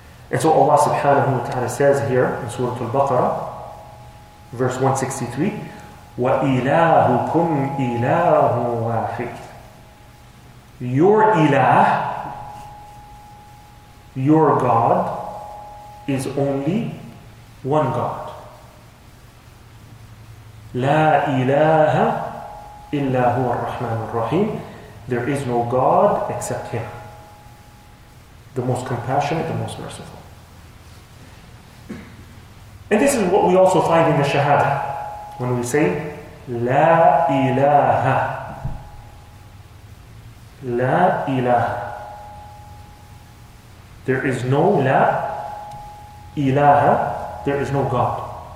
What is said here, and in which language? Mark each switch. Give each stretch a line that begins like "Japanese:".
English: And so Allah subhanahu wa ta'ala says here in Surah Al-Baqarah, verse 163,
Arabic: وَإِلَاهُكُمْ إِلَاهُ وَاحِدٌ.
English: Your ilah, your God, is only one God.
Arabic: لا إله إلا هو الرحمن الرحيم.
English: There is no God except Him, the most compassionate, the most merciful. And this is what we also find in the Shahada. When we say لا إله, لا إله, there is no لا إله, there is no God.